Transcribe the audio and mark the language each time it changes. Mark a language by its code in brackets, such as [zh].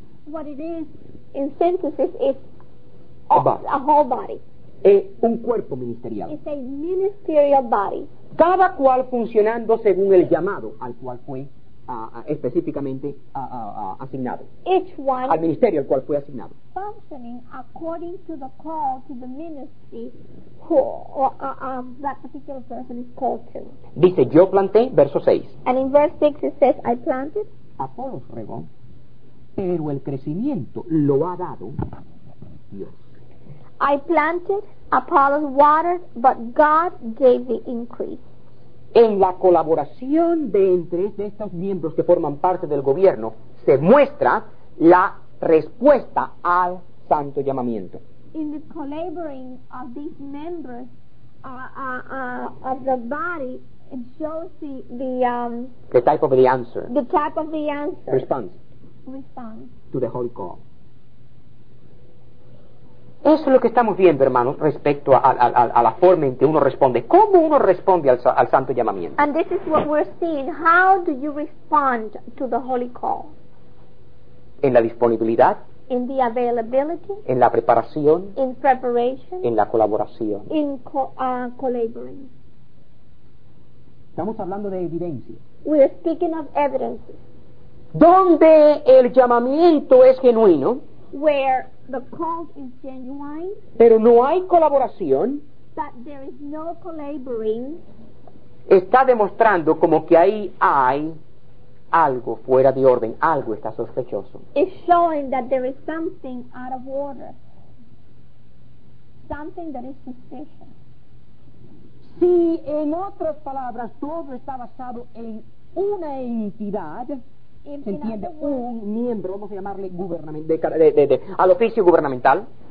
[en] What it is, in synthesis, is a whole body. [es] Es un cuerpo ministerial. [en] It's a ministerial body. [es] Cada cual funcionando según el llamado al cual fue específicamente asignado. [en] Each one. [es] Al ministerio al cual fue asignado. [en] Functioning according to the call to the ministry that particular person is called to. [es] Dice, yo planté, verso 6. [en] And in verse 6 it says, I planted. [es] Apolos regó, pero el crecimiento lo ha dado Dios. [en] I planted, Apollos watered, but God gave the increase. [es] En la colaboración de entre estos miembros que forman parte del gobierno, se muestra la respuesta al santo llamamiento. [en] In the collaborating of these members of the body, it shows the type of the answer. The type of the answer. Response. To the holy call. [es] Eso es lo que estamos viendo, hermanos, respecto a la forma en que uno responde. ¿Cómo uno responde al santo llamamiento? [en] And this is what we're seeing. How do you respond to the holy call? [es] En la disponibilidad. [en] In the availability. [es] En la preparación. [en] In preparation. [es] En la colaboración. [en] In collaborating. [es] Estamos hablando de evidencia. [en] We're speaking of evidence. [es] Donde el llamamiento es genuino. [en] Where the call is genuine. [es] Pero no hay colaboración. [en] But there is no collaborating. [es] Está demostrando como que ahí hay algo fuera de orden, algo está sospechoso. [en] It's showing that there is something out of order. Something that is suspicious. [es] Si en otras palabras todo está basado en una entidad. ¿Se entiende? Un miembro, vamos a llamarle al oficio gubernamental.